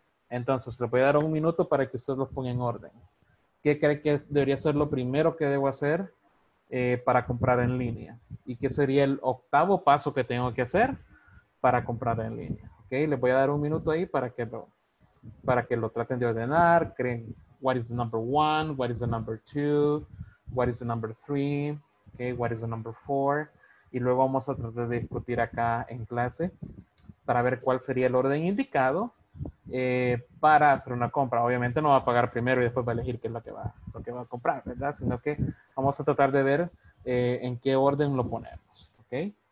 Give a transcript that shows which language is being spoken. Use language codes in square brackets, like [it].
[es] Entonces, le voy a dar un minuto para que usted los ponga en orden. ¿Qué cree que debería ser lo primero que debo hacer para comprar en línea? ¿Y qué sería el octavo paso que tengo que hacer para comprar en línea? Ok, les voy a dar un minuto ahí para que lo traten de ordenar. [en] Creen, what is the number one, what is the number two, what is the number three, okay, what is the number four. [es] Y luego vamos a tratar de discutir acá en clase para ver cuál sería el orden indicado para hacer una compra. Obviamente no va a pagar primero y después va a elegir qué es lo que va a comprar, ¿verdad? Sino que vamos a tratar de ver en qué orden lo ponemos, ¿ok?